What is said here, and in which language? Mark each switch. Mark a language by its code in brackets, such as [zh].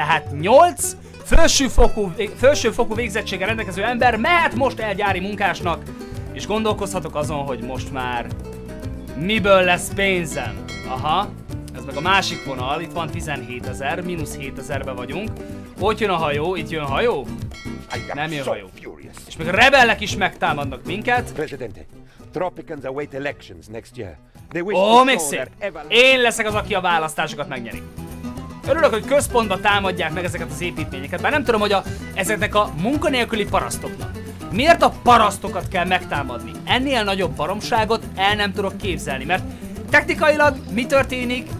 [hu] Tehát 8 felsőfokú végzettsége rendelkező ember mehet most el gyári munkásnak, és gondolkozhatok azon, hogy most már miből lesz pénzem. Aha, ez meg a másik vonal, itt van 17 000, mínusz 7 000-ben vagyunk. Ott jön a hajó, itt jön a hajó? Nem jön a hajó. És még a rebellek is megtámadnak minket. [en] Presidente, Tropicans await elections next year. [hu] Még szép! Én leszek az, aki a választásokat megnyeri. Örülök, hogy központba támadják meg ezeket az építményeket, bár nem tudom, hogy ezeknek a munkanélküli parasztoknak. Miért a parasztokat kell megtámadni? Ennél nagyobb baromságot el nem tudok képzelni, mert technikailag mi történik?